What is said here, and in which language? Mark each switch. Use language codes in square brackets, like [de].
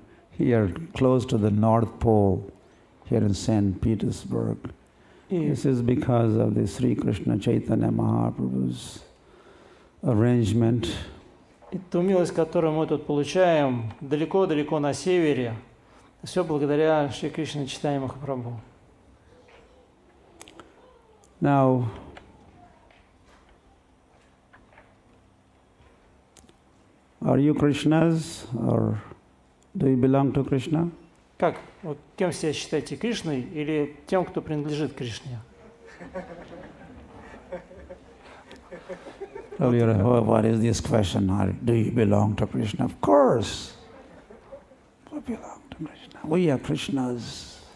[en] Here, close to the North Pole, here in Saint-Petersburg. This is because of the Sri Krishna Chaitanya Mahaprabhu's arrangement. [ru] И ту милость, которую мы тут получаем, далеко-далеко на севере, все благодаря Шри Кришне Чайтанья Махапрабху. [en] Now, are you Krishnas or do you belong to Krishna? [ru] Как? Вот кем себя считаете, Кришной или тем, кто принадлежит Кришне? [en] Earlier, what is this question? Do you belong to Krishna? Of course. We belong to Krishna. We are Krishna's.